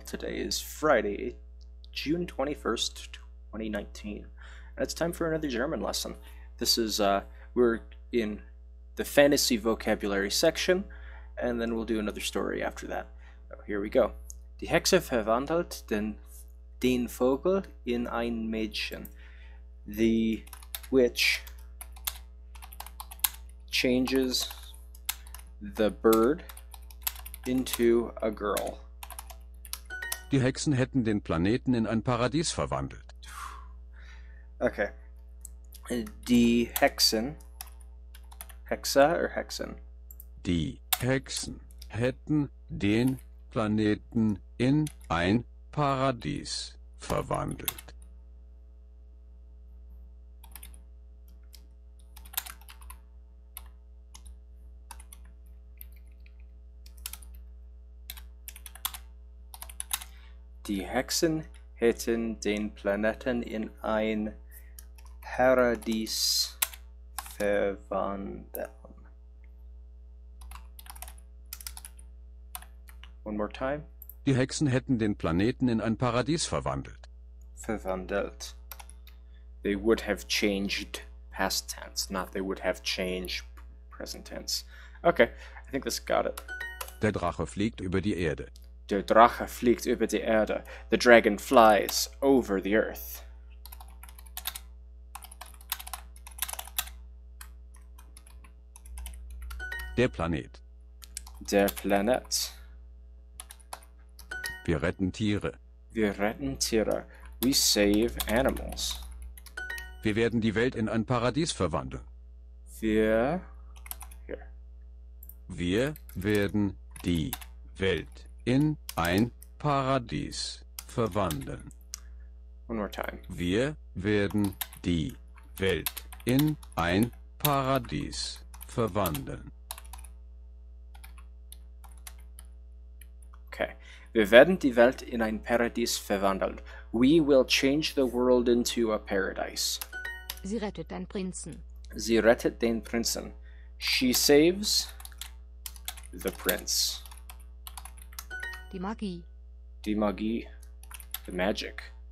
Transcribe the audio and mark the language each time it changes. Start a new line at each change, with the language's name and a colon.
English: Today is Friday, June 21st, 2019, and it's time for another German lesson. This is, we're in the fantasy vocabulary section, and then we'll do another story after that. So here we go.
German: Die Hexe verwandelt den Vogel in ein Mädchen.
English: The witch changes the bird into a girl.
German: Die Hexen hätten den Planeten in ein Paradies verwandelt.
English: Okay.
German: Die Hexen.
English: Hexa or Hexen?
German: Die Hexen hätten den Planeten in ein Paradies verwandelt. Die Hexen hätten den Planeten in ein Paradies verwandelt.
English: One more time.
German: Die Hexen hätten den Planeten in ein Paradies verwandelt. Verwandelt.
English: They would have changed past tense, not they would have changed present tense. Okay, I think this got it.
German: Der Drache fliegt über die Erde. Der Drache fliegt über die Erde.
English: The dragon flies over the earth.
German: Der Planet. Der Planet. Wir retten Tiere. Wir retten Tiere.
English: We save animals.
German: Wir werden die Welt in ein Paradies verwandeln. Wir.
English: Here.
German: Wir werden die Welt in ein Paradies verwandeln.
English: One more time.
German: Wir werden die Welt in ein Paradies verwandeln.
English: Okay.
German: Wir werden die Welt in ein Paradies verwandeln.
English: We will change the world into a paradise.
German: Sie rettet den Prinzen. Sie rettet den Prinzen.
English: She saves the prince.
German: Die Magie. Die Magie.
English: The magic.